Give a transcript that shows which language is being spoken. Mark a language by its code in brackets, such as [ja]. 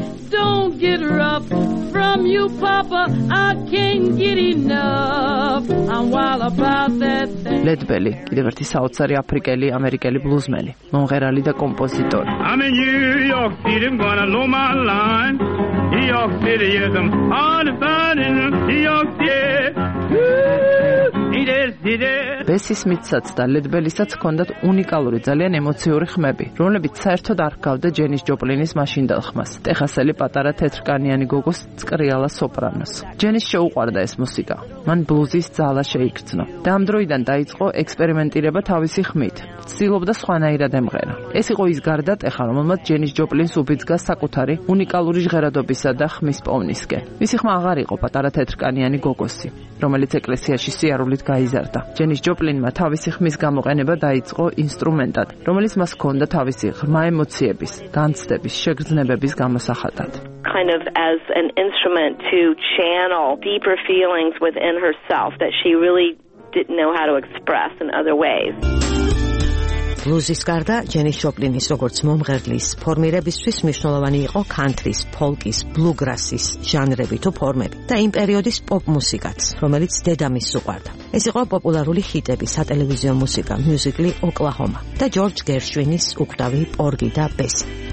[en] Don't get rough from you, Papa. I can't get enough. I'm wild about that thing. [ka] Led Belly, კიდევ ერთი საოცარი აფრიკელი ამერიკელი ბლუზმენი, მომღერალი და კომპოზიტორი. [en] I'm in New York City, I'm gonna blow my line. New York City is I'm on a fine in New York City. [ka] ბესი სმითსაც და ლედბელისაც ჰქონდათ უნიკალური, ძალიან ემოციური ხმები, რომლებიც საერთოდ არ ჰგავდა ჯენის ჯოპლინის მაშინდელ ხმას, ტეხასელი პატარა თეთრკანიანი გოგოს წკრიალა სოპრანოს. ჯენის შეუყვარდა ეს მუსიკა, მან ბლუზის ძალა შეიგრძნო და ამ დროიდან დაიწყო ექსპერიმენტირება თავისი ხმით, ცდილობდა სხვანაირად ემღერა. ეს იყო ის გარდა ტეხა, რომელმაც ჯენის ჯოპლინს უბიძგა საკუთარი უნიკალური ჟღერადობისა და ხმის პოვნისკენ. მისი ხმა აღარ იყო პატარა თეთრკანიანი გოგოსი, რომელიც ეკლესიაში სიარულით გაიზარდა. ჯენის ჯოპლინმა თავისი ხმის გამოყენება დაიწყო ინსტრუმენტად, რომელიც მას ჰქონდა თავისი ღრმა ემოციების, განცდების, შეგრძნებების გამოსახატად. [en] Kind of as an instrument to channel deeper feelings within herself that she really didn't know how to express in other ways. [ka] ბლუზის გარდა ჯენის ჯოპლინის როგორც მომღერლის ფორმირებისთვის მნიშვნელოვანი იყო კანტრის, ფოლკის, ბლუგრასის ჟანრები თუ ფორმები და იმ პერიოდის პოპ მუსიკაც, რომელიც დედამის უყვარდა. ეს იყო პოპულარული ჰიტები, სატელევიზიო მუსიკა, მიუზიკლი ოკლაჰომა და ჯორჯ გერშვინის უკვდავი პორგი და ბესი.